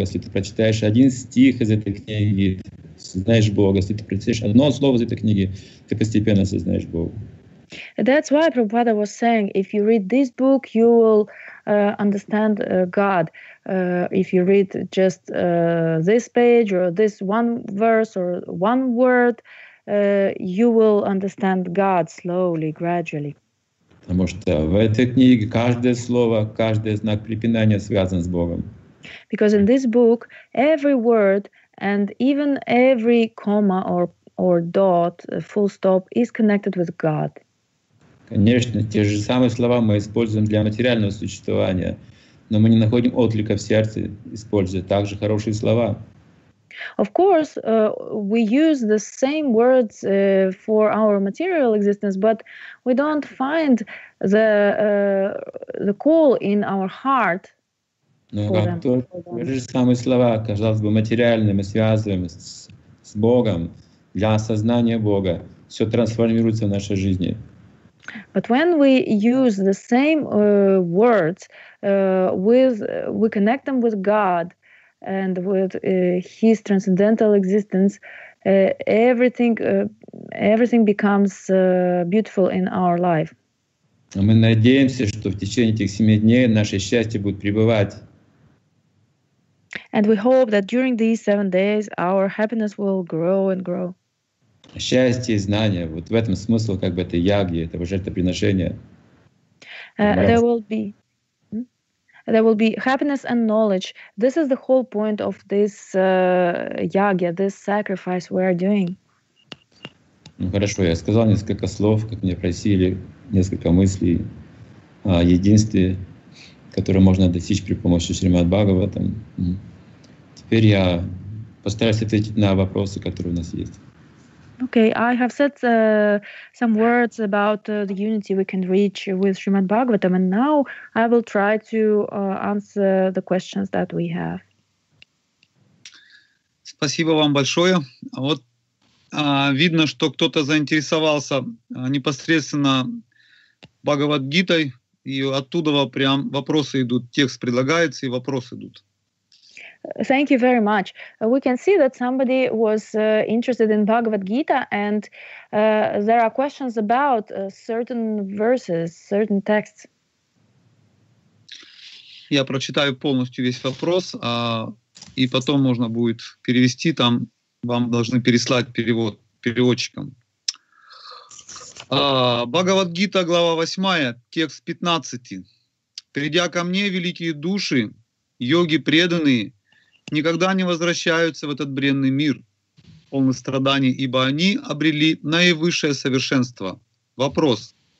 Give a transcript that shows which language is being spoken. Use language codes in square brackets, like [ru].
[ru] Если ты прочитаешь один стих из этой книги, осознаешь Бога. Если ты прочитаешь одно слово из этой книги, ты постепенно осознаешь Бога. [en] That's why Prabhupada was saying, if you read this book, you will understand God. If you read just this page, or this one verse, or one word, you will understand God slowly, gradually. [ru] Потому что в этой книге каждое слово, каждый знак препинания связан с Богом. [en] Because in this book, every word and even every comma or dot, full stop, is connected with God. [ru] Конечно, те же самые слова мы используем для материального существования, но мы не находим отклика в сердце, используя также хорошие слова. [en] Of course, we use the same words for our material existence, but we don't find the call in our heart. [ru] Но как те же самые слова, казалось бы, материальные, мы связываем с Богом для осознания Бога, все трансформируется в нашей жизни. [en] But when we use the same words with we connect them with God and with his transcendental existence, everything becomes beautiful in our life. [ru] Мы надеемся, что в течение этих семи дней наше счастье будет пребывать. [en] And we hope that during these seven days our happiness will grow and grow. [ru] Счастье и знание, вот в этом смысл как бы этой яги, этого жертвоприношения. [en] There will be happiness and knowledge. This is the whole point of this yagya, this sacrifice we are doing. [ru] Ну хорошо, я сказал несколько слов, как меня просили, несколько мыслей о единстве, которое можно достичь при помощи Шримад Бхагаватам. Теперь я постараюсь ответить на вопросы, которые у нас есть. [en] Okay, I have said some words about the unity we can reach with Srimad Bhagavatam, and now I will try to answer the questions that we have. [ru] Спасибо вам большое. Вот видно, что кто-то заинтересовался непосредственно Бхагавад-гитой, и оттуда прям вопросы идут, текст предлагается, и вопросы идут. [en] Thank you very much. We can see that somebody was interested in Bhagavad Gita and there are questions about certain verses, certain texts. [ru] Я прочитаю полностью весь вопрос, и потом можно будет перевести, там вам должны переслать перевод переводчикам. Бхагавад Гита, глава 8, текст 15. Придя ко мне, великие души, йоги преданные, никогда не возвращаются в этот бренный мир, полный страданий, ибо они обрели наивысшее совершенство. Вопрос.